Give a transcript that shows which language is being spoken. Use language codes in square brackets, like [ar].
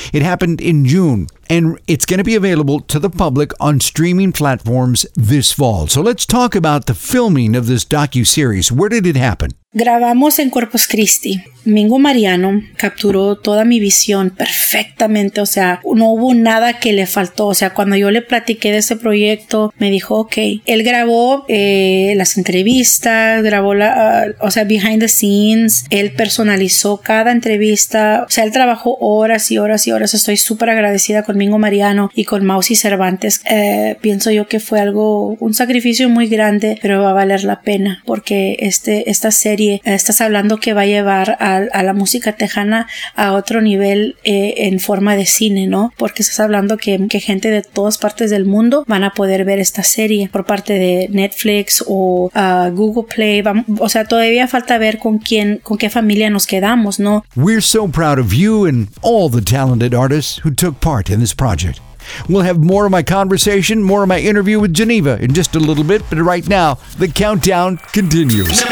[en] It happened in June, and it's going to be available to the public on streaming platforms this fall. So let's talk about the filming of this docu-series. Where did it happen? [es] Grabamos en Corpus Christi. Mingo Mariano capturó toda mi visión perfectamente, o sea, no hubo nada que le faltó. O sea, cuando yo le platiqué de ese proyecto, me dijo, ok. Él grabó las entrevistas, grabó la, [en] behind the scenes. [es] Él personalizó cada entrevista. O sea, él trabajó horas y horas y horas. Estoy súper agradecida con Mingo Mariano y con Mausi Cervantes. Pienso yo que fue algo, un sacrificio muy grande, pero va a valer la pena porque esta serie, estás hablando que va a llevar a la música tejana a otro nivel en forma de cine, ¿no? Porque estás hablando que gente de todas partes del mundo van a poder ver esta serie por parte de Netflix o Google Play. O sea, todavía falta ver con qué familia nos quedamos, ¿no? [en] We're so proud of you and all the talented artists who took part in this project. We'll have more of my conversation, more of my interview with Geneva in just a little bit, but right now, the countdown continues.